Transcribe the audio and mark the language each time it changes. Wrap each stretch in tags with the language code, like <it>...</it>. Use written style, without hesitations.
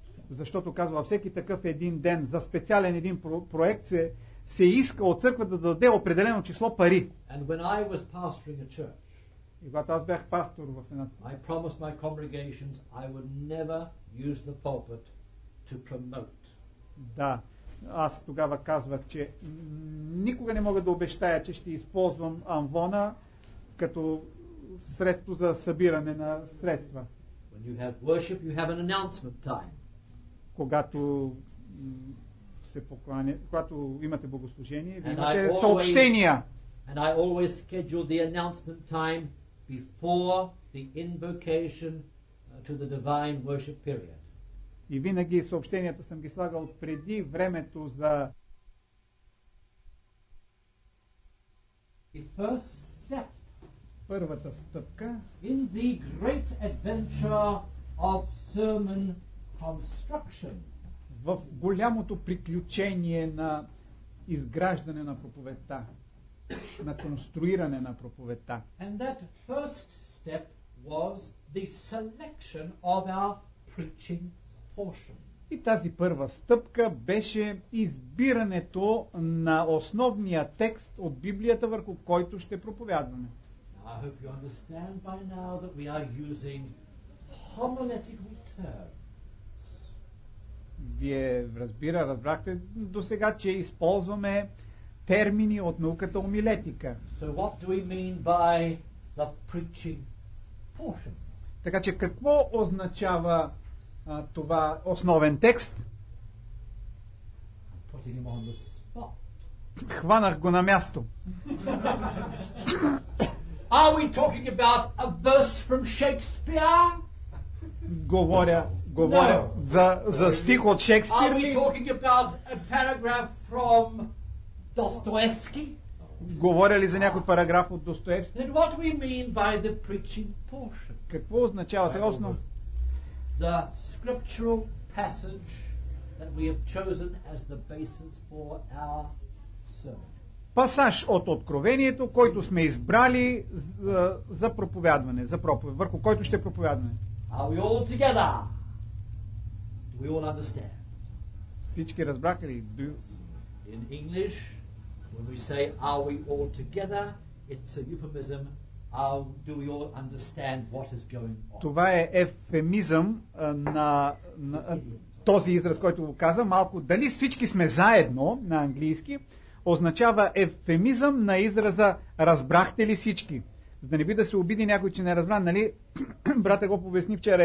<bg>Защото казва, всеки такъв един ден за специален един проект се се иска от църквата да даде определено число пари.</bg> <en>And when I was pastoring a church,</en> <bg>и когато аз бях пастор в една църква,</bg> <en>I promised my congregations I would never use the pulpit to promote.</en> <bg>Да. Аз тогава казвах, че никога не мога да обещая, че ще използвам амвона като средство за събиране на средства.</bg> <en>When you have worship, you have an announcement time.</en> <bg>Когато се покланя, когато имате богослужение, вие имате съобщения.</bg> <en>And I always schedule the announcement time before the invocation to the divine worship period.</en> <bg>И винаги съобщенията съм ги слагал преди времето за.</bg> <en>The first step,</en> <bg>първата стъпка</bg> <en>in the great adventure of sermon construction,</en> <bg>в голямото приключение на изграждане на проповедта, на конструиране на проповедта.</bg> <en>And that first step was the selection of our preaching.</en> <bg>И тази първа стъпка беше избирането на основния текст от Библията, върху който ще проповядваме.</bg> <en>I hope you understand by now that we are using homiletical terms.</en> <bg>Вие разбрахте до сега, че използваме термини от науката омилетика.</bg> <en>So what do we mean by the preaching portion?</en> <bg>Така че какво означава това основен текст?</bg> <en>Putting him on the spot.</en> <bg>Хванах го на място.</bg> <en>Are we talking about a verse from Shakespeare?</en> <bg>Говоря no. за стих от Шекспир.</bg> <en>Are we talking about a paragraph from Dostoevsky?</en> <bg>Говоря ли за някой параграф от Достоевски?</bg> <en>Then what do we mean by the preaching portion?</en> <bg>Какво означава това основно?</bg> <en>The scriptural passage that we have chosen as the basis for our sermon.</en> <bg>Пасаж от Откровението, който сме избрали за проповядване, за проповед, върху който ще проповядваме.</bg> <en>Are we all together? Do we all understand?</en> <bg>Всички разбраха ли?</bg> <en>In English, when we say are we all together, it's a euphemism. Do we all understand what is going on?</en> <bg>Това е ефемизъм на този израз, който го каза малко. Дали всички сме заедно на английски, означава ефемизъм на израза разбрахте ли всички? За да не би да се обиди някой, че не разбра, нали? Брата го повесни вчера.</bg>